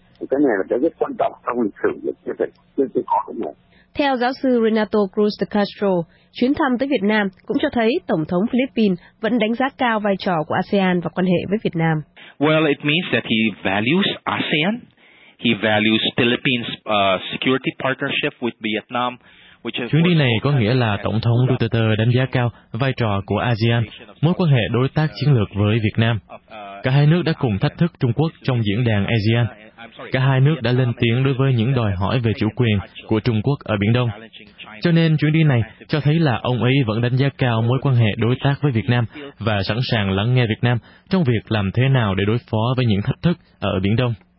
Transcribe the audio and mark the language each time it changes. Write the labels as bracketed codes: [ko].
[vi] Cái này là cái rất quan trọng trong lịch sử và cái khó khăn này. Theo giáo sư Renato Cruz de Castro, chuyến thăm tới Việt Nam cũng cho thấy Tổng thống Philippines vẫn đánh giá cao vai trò của ASEAN và quan hệ với Việt Nam. [en] Well, it means that he values ASEAN. He values Philippines' security partnership with Vietnam. [vi] Chuyến đi này có nghĩa là Tổng thống Duterte đánh giá cao vai trò của ASEAN, mối quan hệ đối tác chiến lược với Việt Nam. Cả hai nước đã cùng thách thức Trung Quốc trong diễn đàn ASEAN. Cả hai nước đã lên tiếng đối với những đòi hỏi về chủ quyền của Trung Quốc ở Biển Đông. Cho nên chuyến đi này cho thấy là ông ấy vẫn đánh giá cao mối quan hệ đối tác với Việt Nam và sẵn sàng lắng nghe Việt Nam trong việc làm thế nào để đối phó với những thách thức ở Biển Đông.